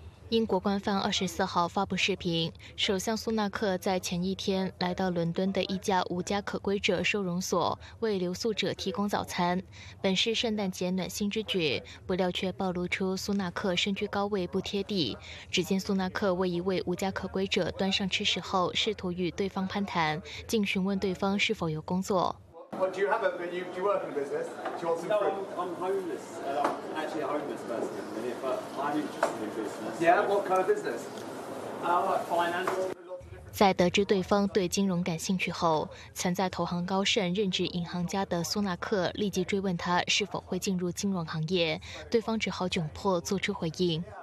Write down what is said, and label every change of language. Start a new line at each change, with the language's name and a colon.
Chinese: 英国官方24号发布视频，首相苏纳克在前一天来到伦敦的一家无家可归者收容所，为留宿者提供早餐。本是圣诞节暖心之举，不料却暴露出苏纳克身居高位不贴地。只见苏纳克为一位无家可归者端上吃食后，试图与对方攀谈，竟询问对方是否有工作。
English: Well, do you have a menu? Do you work in a business? Do you want some food? No, I'm homeless. I'm actually a homeless person in the minute, but I'm interested in business. Yeah, what kind of business? Financial.
Chinese: 在得知对方对金融感兴趣后，曾在投行高盛任职银行家的苏纳克立即追问他是否会进入金融行业，对方只好窘迫做出回应。